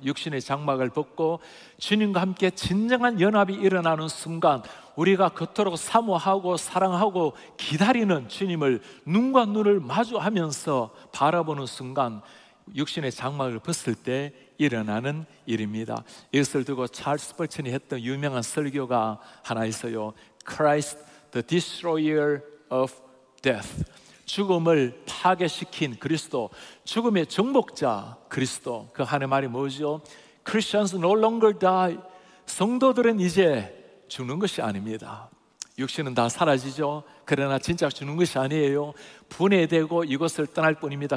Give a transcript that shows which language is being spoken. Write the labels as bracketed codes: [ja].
[ko] 육신의 장막을 벗고 주님과 함께 진정한 연합이 일어나는 순간, 우리가 그토록 사모하고 사랑하고 기다리는 주님을 눈과 눈을 마주하면서 바라보는 순간, 육신의 장막을 벗을 때 일어나는 일입니다. 이것을 두고 찰스 스펄천이 했던 유명한 설교가 하나 있어요. [en] Christ, the destroyer of death. [ko] 죽음을 파괴시킨 그리스도, 죽음의 정복자 그리스도. 그 한의 말이 뭐죠? [en] Christians no longer die. [ko] 성도들은 이제 죽는 것이 아닙니다. 육신은 다 사라지죠. 그러나 진짜 죽는 것이 아니에요. 분해되고 이것을 떠날 뿐입니다.